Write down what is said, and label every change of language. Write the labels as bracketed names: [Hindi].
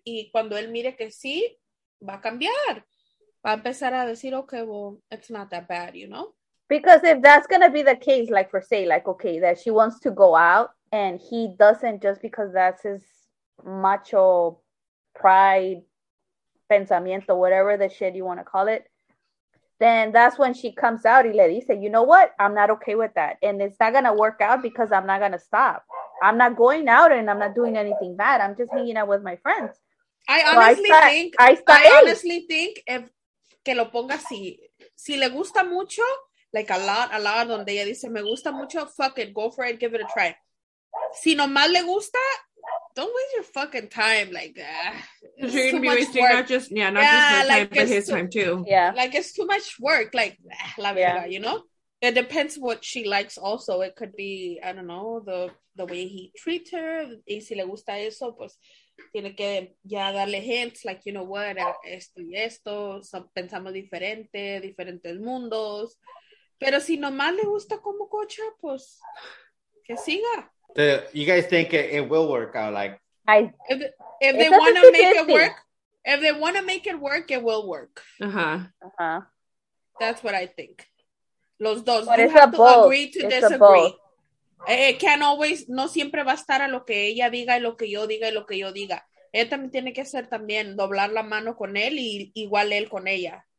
[Spanish] Y cuando él mire que sí, va a cambiar. Va a empezar a decir, [English] okay, well, it's not that bad, you know? Because if that's going to be the case, like for say, like, okay, that she wants to go out and he doesn't just because that's his macho pride, [Spanish] pensamiento, [English] whatever the shit you want to call it, then that's when she comes out [Spanish] y le dice, [English] you know what, I'm not okay with that and it's not gonna work out because I'm not gonna stop, I'm not going out and I'm not doing anything bad, I'm just hanging out with my friends. I honestly think if [Spanish] que lo ponga así, si le gusta mucho, [English] like a lot, [Spanish] donde ella dice me gusta mucho, [English] fuck it, go for it, give it a try. [Spanish] Si nomás le gusta, [English] don't waste your fucking time like that. You're gonna be wasting work. not just his time too. Yeah, like it's too much work. Like, [Spanish] la verdad, [English] yeah. You know. It depends what she likes. Also, it could be, I don't know, the way he treats her. [Spanish] Y si le gusta eso, pues tiene que ya darle hints. [English] Like, you know what, [Spanish] esto y esto. [English] So, [Spanish] pensamos diferente, diferentes mundos. Pero si nomás le gusta como cocha, pues que siga. [English] You guys think it will work out? Like, if they want to make it work, if they want to make it work, it will work. Uh-huh. That's what I think. [Spanish] Los dos. [English] You have to agree to disagree. It can't always, [Spanish] no siempre va a estar a lo que ella diga y lo que yo diga y lo que yo diga. Ella también tiene que hacer también, doblar la mano con él y igual él con ella.